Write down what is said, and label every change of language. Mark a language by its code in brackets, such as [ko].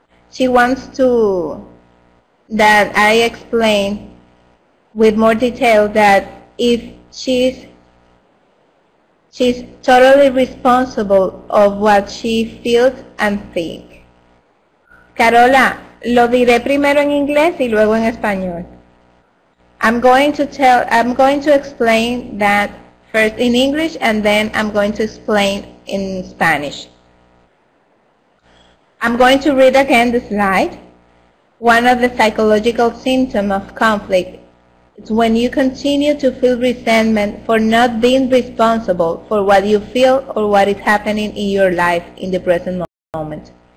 [en] She wants to that I explain with more detail that if she's totally responsible of what she feels and thinks. [es] Carola, lo diré primero en inglés y luego en español. [en] I'm going to explain that first in English and then I'm going to explain in Spanish. I'm going to read again the slide. One of the psychological symptoms of conflict is when you continue to feel resentment for not being responsible for what you feel or what is happening in your life in the present moment.